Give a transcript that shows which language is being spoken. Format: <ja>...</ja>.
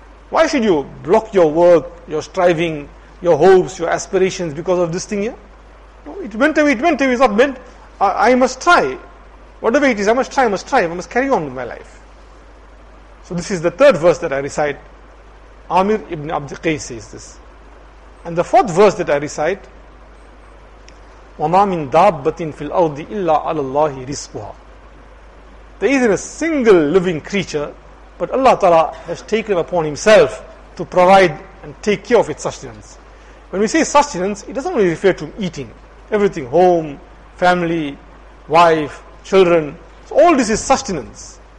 <en>Why should you block your work, your striving, your hopes, your aspirations because of this thing here? No, it went away, it's not meant. I must try. Whatever it is, I must strive, I must carry on with my life. So this is the third verse that I recite. Amir ibn Abd al-Qais says this. And the fourth verse that I recite,</en> <ar>وَمَا مِنْ دَابَّةٍ فِي الْأَرْضِ إِلَّا عَلَى اللَّهِ رِزْقُهَا.</ar> <en>There isn't a single living creature, but Allah Ta'ala has taken upon Himself to provide and take care of its sustenance. When we say sustenance, it doesn't only really refer to eating. Everything, home, family, wife, children, so all this is sustenance.</en>